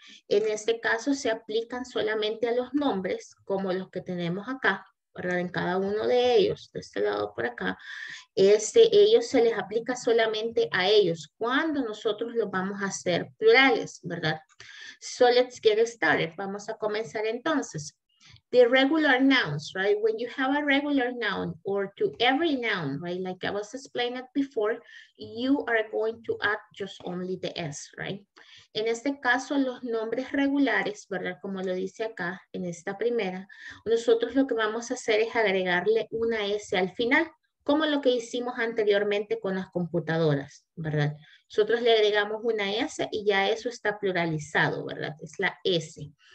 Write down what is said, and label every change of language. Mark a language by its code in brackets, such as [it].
[es] En este caso, se aplican solamente a los nombres, como los que tenemos acá. ¿Verdad? En cada uno de ellos, de este lado por acá, ellos se les aplica solamente a ellos cuando nosotros los vamos a hacer plurales, ¿verdad? [en] So let's get started. [es] Vamos a comenzar entonces. [en] the regular nouns, right? When you have a regular noun or to every noun, right? Like I was explaining it before, you are going to add just only the S, right? [es] En este caso, los nombres regulares, ¿verdad? Como lo dice acá, en esta primera, nosotros lo que vamos a hacer es agregarle una S al final, como lo que hicimos anteriormente con las computadoras, ¿verdad? Nosotros le agregamos una S y ya eso está pluralizado, ¿verdad? Es la S.